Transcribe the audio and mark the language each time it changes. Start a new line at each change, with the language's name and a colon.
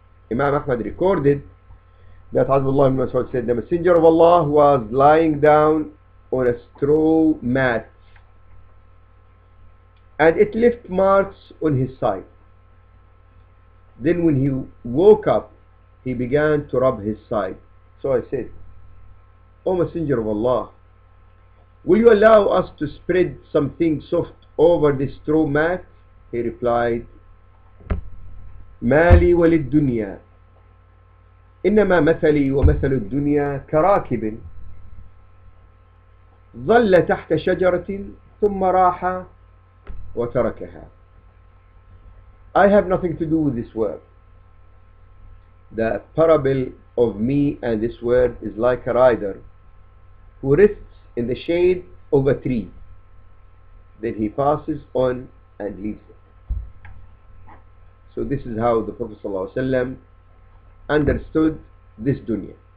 English: Imam Ahmad recorded that Abdullah ibn Mas'ud said, the Messenger of Allah was lying down on a straw mat and it left marks on his side. Then when he woke up, he began to rub his side. So I said, O Messenger of Allah, will you allow us to spread something soft over this straw mat?
Arabic: He replied, مالي وللدنيا إنما مثلي ومثل الدنيا كراكب ظل تحت شجرة ثم راح وتركها.
English: I have nothing to do with this world. The parable of me and this world is like a rider who rests in the shade of a tree. Then he passes on and leaves it. So this is how the Prophet sallallahu alaihi wasallam understood this dunya.